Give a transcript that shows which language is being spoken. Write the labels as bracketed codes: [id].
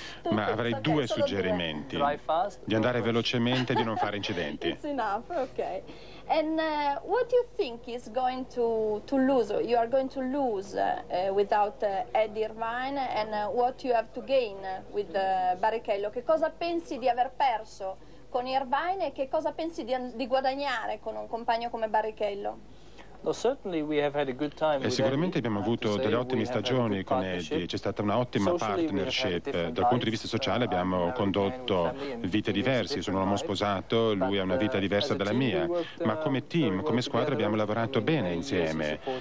[it] Ma avrei due suggerimenti: di andare velocemente e di non fare incidenti. [en] It's enough, okay. And what do you think is going to lose? You are going to lose without Eddie Irvine, and what you have to gain with Barrichello? [it] Che cosa pensi di aver perso con Irvine e che cosa pensi di guadagnare con un compagno come Barrichello? E sicuramente abbiamo avuto delle ottime stagioni con Eddie, c'è stata un'ottima partnership. Dal punto di vista sociale abbiamo condotto vite diverse, sono un uomo sposato, lui ha una vita diversa dalla mia, ma come team, come squadra abbiamo lavorato bene insieme.